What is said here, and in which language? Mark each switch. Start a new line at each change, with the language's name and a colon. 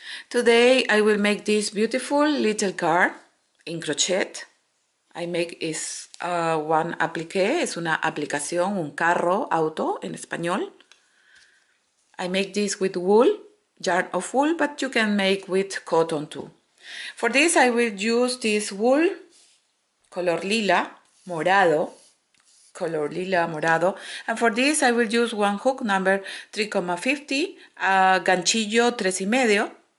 English: Today I will make this beautiful little card in crochet. I make is one applique,
Spanish: es una aplicación, un carro, auto en español.
English: I make this with wool, yarn of wool, but you can make with cotton too. For this I will use this wool, color lila, morado. Color lila morado, and for this I will use one hook number 3,50, ganchillo 3.5.